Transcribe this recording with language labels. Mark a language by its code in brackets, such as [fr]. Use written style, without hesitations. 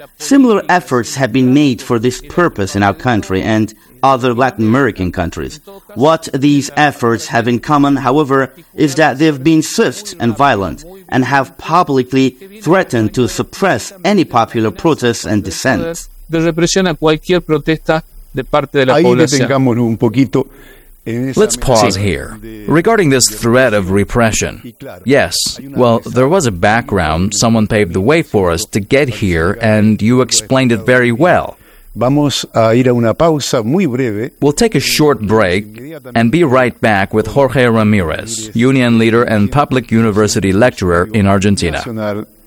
[en] Similar efforts have been made for this purpose in our country and other Latin American countries. What these efforts have in common, however, is that they have been swift and violent and have publicly threatened to suppress any popular protests and dissent. [es] De represión a cualquier protesta de parte de la Ahí población. Detengámonos un poquito. [en] Let's pause here. Regarding this threat of repression, yes, well, there was a background. Someone paved the way for us to get here, and you explained it very well. We'll take a short break and be right back with Jorge Ramirez, union leader and public university lecturer in Argentina.